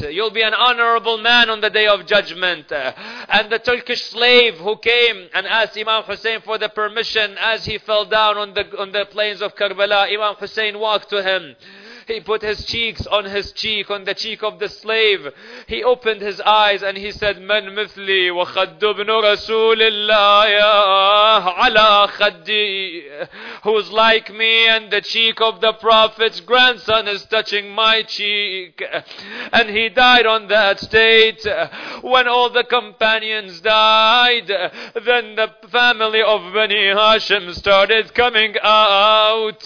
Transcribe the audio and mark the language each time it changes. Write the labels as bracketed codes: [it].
[en] You'll be an honorable man on the Day of Judgment. And the Turkish slave who came and asked Imam Hussein for the permission as he fell down on the plains of Karbala, Imam Hussein walked to him. He put his cheeks on his cheek, on the cheek of the slave. He opened his eyes and he said, [ar] من مثلي وخد ابن رسول الله على خدي. [en] Who's like me and the cheek of the Prophet's grandson is touching my cheek. And he died on that state. When all the companions died, then the family of Bani Hashim started coming out.